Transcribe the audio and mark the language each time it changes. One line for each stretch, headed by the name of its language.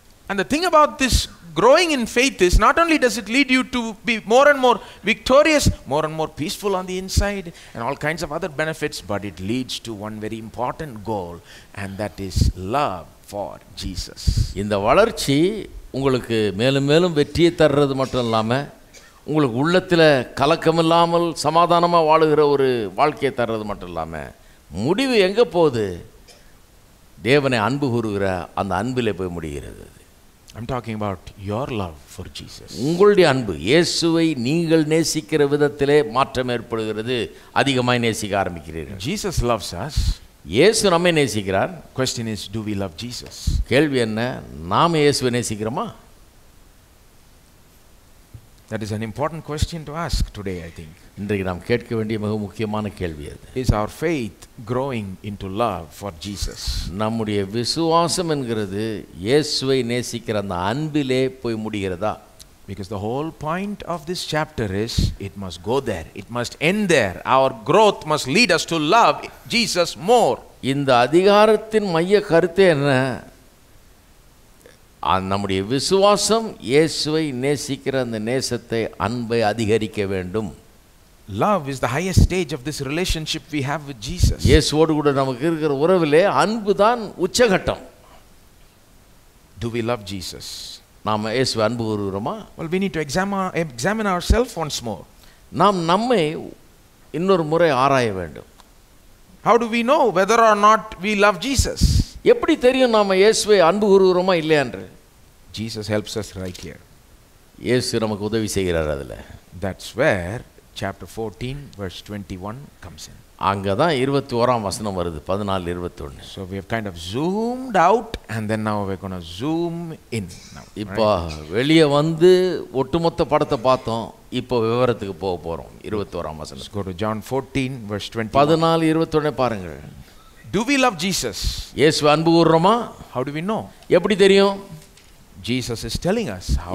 English: And the thing about this growing in faith is not only does it lead you to be more and more victorious, more and more peaceful on the inside and all kinds of other benefits, but it leads to one very important goal, and that is love for Jesus.
Tamil: இந்த வளர்ச்சி உங்களுக்கு மேலும் மேலும் வெற்றியை தர்றது மட்டும் இல்லாம உங்களுக்கு உள்ளத்துல கலக்கம் இல்லாமல் சமாதானமா வாழுகிற ஒரு வாழ்க்கையை தர்றது மட்டும் இல்லாம முடிவு எங்க போகுது? தேவனை அன்பு கூறுகிற அந்த அன்பிலே போய் முடிகிறது.
English: I'm talking about your love for Jesus.
Tamil: உங்களுடைய அன்பு இயேசுவை நீங்கள் நேசிக்கிற விதத்திலே மாற்றம் ஏற்படுகிறது. அதிகமாய் நேசிக்க ஆரம்பிக்கிறீர்கள்.
English: Jesus loves us.
Tamil: இயேசு நம்மை நேசிக்கிறார்.
English: Question is, do we love Jesus?
Tamil: கேள்வி என்ன, நாம் இயேசுவை நேசிக்கிறோமா?
English: That is an important question to ask today, I think.
Tamil: இன்றைக்கு நாம் கேட்க வேண்டிய மிக முக்கியமான கேள்வி அது.
English: Is our faith growing into love for Jesus?
Tamil: நம்முடைய விசுவாசம் என்கிறது இயேசுவை நேசிக்கிற அந்த அன்பிலே போய் முடிகிறதா?
English: Because the whole point of this chapter is it must go there. It must end there. Our growth must lead us to love Jesus more.
Tamil: இந்த அதிகாரத்தின் மைய கருத்து என்ன? நம்முடைய விசுவாசம் இயேசுவை நேசிக்கிற அந்த நேசத்தை அன்பை அதிகரிக்க வேண்டும்.
English: Love is the highest stage of this relationship we have with Jesus.
Tamil: இயேசுவோடு கூட நமக்கு இருக்கிற உறவிலே அன்பு தான் உச்சகட்டம்.
English: Do we love Jesus?
Tamil: நாம் இயேசுவை அன்பு கூறுகிறோமா?
English: Well, we need to examine ourselves once more.
Tamil: நாம் நம்மை இன்னொரு முறை ஆராய வேண்டும்.
English: How do we know whether or not we love Jesus?
Tamil: எப்படி தெரியும் நாம இயேசுவை அன்பு கூறுகிறோமா இல்லையான்று?
English: Jesus helps us right here.
Tamil: இயேசு நமக்கு உதவி செய்கிறார் அதில்.
English: That's where chapter 14 verse 21 comes in.
Tamil: அங்கே தான் 21 வசனம் வருது, 14:21. So we have kind of zoomed out and then now we're going to zoom in now. இப்போ வெளியே வந்து ஒட்டுமொத்த படத்தை பார்த்தோம், இப்போ விவரத்துக்கு போக போகிறோம். 21 வசனம்.
English: Let's go to John 14 verse 21.
Tamil: 14:21 பாருங்கள்.
English: Do we love Jesus?
Tamil: இயேசு அன்பு கூறுறோமா?
English: How do we know?
Tamil: எப்படி தெரியும்?
English: Jesus is telling us how.